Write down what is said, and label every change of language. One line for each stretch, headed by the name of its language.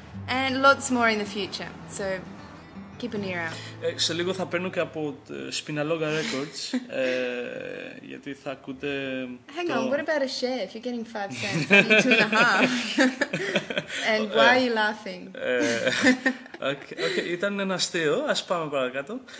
English: And lots more in the future, so keep an ear out.
Greek: Σε λίγο θα παίρνω και από Spinalonga Records, γιατί θα ακούτε...
English: Hang on, what about a share if you're getting 5 cents? I need 2.5. And why are you laughing?
Greek: Okay, ήταν ένα αστείο, ας πάμε παρακάτω.